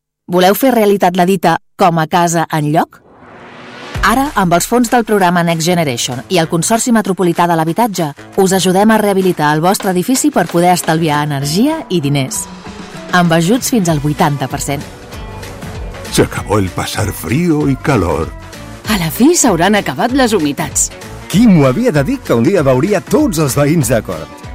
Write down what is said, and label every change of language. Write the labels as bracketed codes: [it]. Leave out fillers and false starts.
[ca] Voleu fer realitat la dita com a casa en lloc? Ara, amb els fons del programa Next Generation i el Consorci Metropolità de l'Habitatge, us ajudem a rehabilitar el vostre edifici per poder estalviar energia i diners. Amb ajuts fins al 80%. [es] Se acabó el passar frío y calor. [ca] A la fi s'hauran acabat les humitats. Qui m'ho havia de dir que un dia veuria tots els veïns d'acord?